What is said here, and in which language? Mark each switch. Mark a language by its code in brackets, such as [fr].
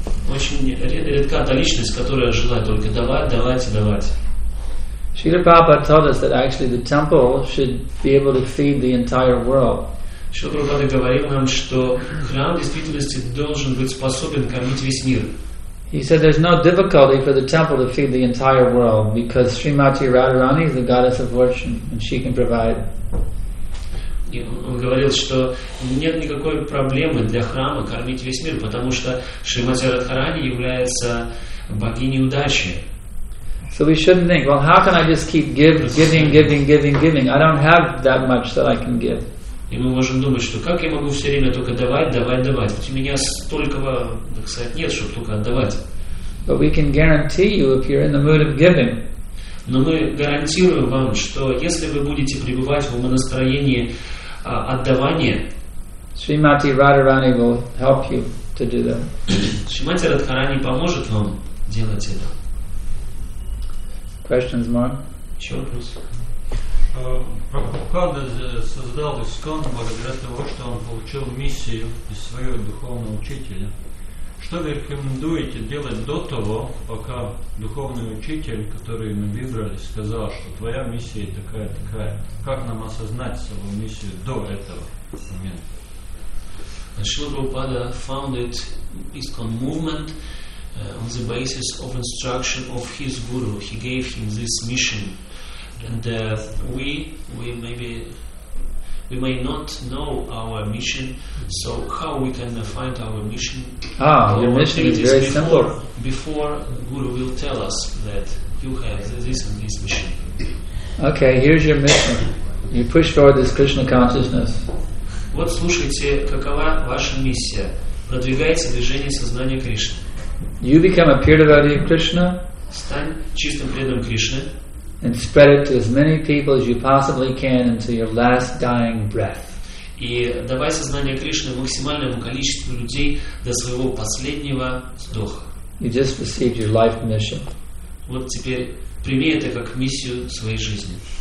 [ru] Очень редка та личность, которая желает только давать. [en] Шрила Прабхупада told us that actually the temple should be able to feed the entire world. [ru] Шрила Прабхупада говорил нам, что храм в действительности должен быть способен кормить весь мир. [en] He said there's no difficulty for the temple to feed the entire world because Srimati Radharani is the goddess of fortune and she can provide. [ru] И он говорил, что нет никакой проблемы для храма кормить весь мир, потому что Шримати Радхарани является богиней удачи. [en] So we shouldn't think, well, how can I just keep giving? I don't have that much that I can give. [ru] И мы можем думать, что как я могу все время только давать. Ведь у меня столько, так сказать, нет, чтобы только отдавать. [en] But we can guarantee you if you're in the mood of giving. [ru] Но мы гарантируем вам, что если вы будете пребывать в умонастроении отдавания, [en] Shrimati Radharani will help you to do that. [ru] Shrimati Radharani поможет вам делать это. [en] Questions, Mark? [ru] Еще вопрос? Прабхупада создал ИСККОН благодаря того, что он получил миссию из своего духовного учителя. Что вы рекомендуете делать до того, пока духовный учитель, который мы выбрали, сказал, что твоя миссия такая? Как нам осознать свою миссию до этого момента? [en] Шрила Прабхупада founded ISKCON movement on the basis of instruction of his guru. He gave him this mission. And we may not know our mission, so how we can find our mission? Ah, your mission is very simple. Before Guru will tell us that you have this and this mission. Okay, here's your mission. You push forward this Krishna consciousness. [ru] Вот слушайте, какова ваша миссия? Продвигайте движение сознания Кришны. [en] You become a pure devotee of Krishna. [ru] Стань чистым преданным Кришны. [en] And spread it to as many people as you possibly can until your last dying breath. [ru] И давай сознание Кришны максимальному количеству людей до своего последнего вздоха. [en] You just received your life mission. [ru] Вот теперь прими это как миссию своей жизни.